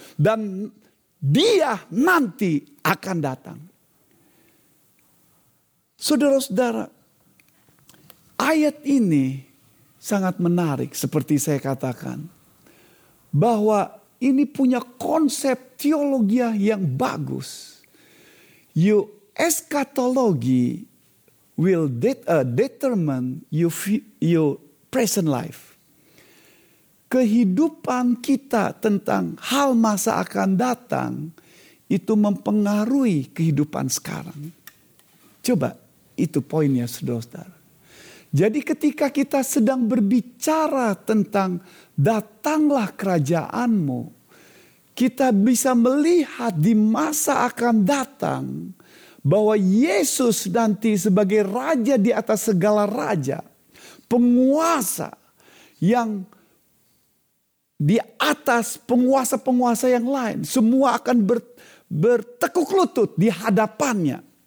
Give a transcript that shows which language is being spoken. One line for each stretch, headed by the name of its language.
Indonesian: Dan dia nanti akan datang. Saudara-saudara, ayat ini sangat menarik seperti saya katakan. Bahwa ini punya konsep teologi yang bagus.
English: Your eschatology will determine your present life.
Indonesian: Kehidupan kita tentang hal masa akan datang itu mempengaruhi kehidupan sekarang. Coba itu poinnya, saudara-saudara. Jadi ketika kita sedang berbicara tentang datanglah kerajaanmu, kita bisa melihat di masa akan datang bahwa Yesus nanti sebagai raja di atas segala raja, penguasa yang di atas penguasa-penguasa yang lain, semua akan bertekuk lutut di hadapannya.